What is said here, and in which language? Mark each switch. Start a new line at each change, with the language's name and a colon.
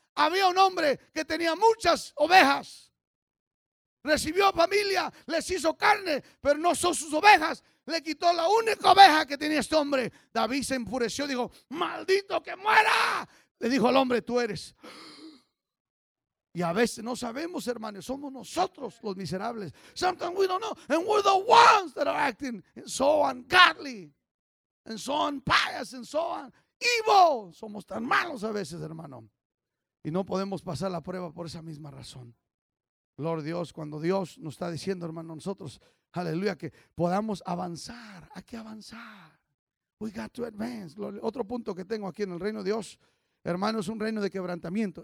Spanish: Había un hombre que tenía muchas ovejas. Recibió familia, les hizo carne, pero no son sus ovejas. Le quitó la única oveja que tenía este hombre. David se enfureció, dijo, ¡maldito que muera! Le dijo al hombre, tú eres. Y a veces no sabemos, hermanos, somos nosotros los miserables.
English: Sometimes we don't know, and we're the ones that are acting so ungodly, and so unpious, and so evil.
Spanish: Somos tan malos a veces, hermano. Y no podemos pasar la prueba por esa misma razón. Lord Dios, cuando Dios nos está diciendo, hermano, nosotros, aleluya, que podamos avanzar. Hay que avanzar.
English: We got to advance.
Spanish: Lord, otro punto que tengo aquí en el reino de Dios, hermano, es un reino de quebrantamiento.